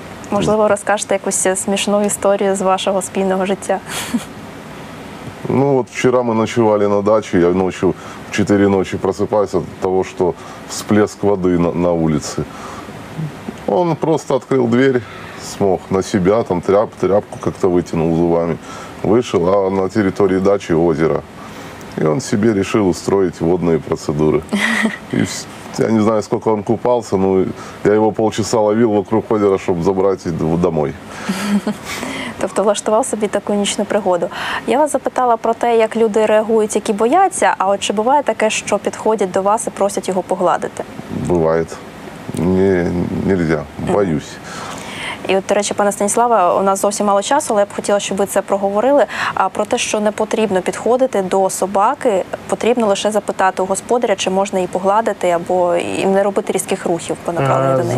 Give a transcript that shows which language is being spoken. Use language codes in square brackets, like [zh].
[uk] Можливо, розкажете якусь смішну історію з вашого спільного життя. Ну, от вчора ми ночували на дачі, я ночі, в 4 ночі просипаюся від того, що всплеск води на вулиці. Він просто відкрив двері, [ru] смог на себя, там тряпку как-то вытянул зубами, вышел, а на территории дачи озеро. И он себе решил устроить водные процедуры. И я не знаю, сколько он купался, но я его полчаса ловил вокруг озера, чтобы забрать домой. [uk] Тобто влаштував собі таку нічну пригоду. Я вас запитала про те, як люди реагують, які бояться, а от чи буває таке, що підходять до вас і просять його погладити? Буває. Не можна. Боюсь. І от, до речі, пане Станіславе, у нас зовсім мало часу, але я б хотіла, щоб ви це проговорили, про те, що не потрібно підходити до собаки, потрібно лише запитати у господаря, чи можна її погладити, або не робити різких рухів по направленню до неї.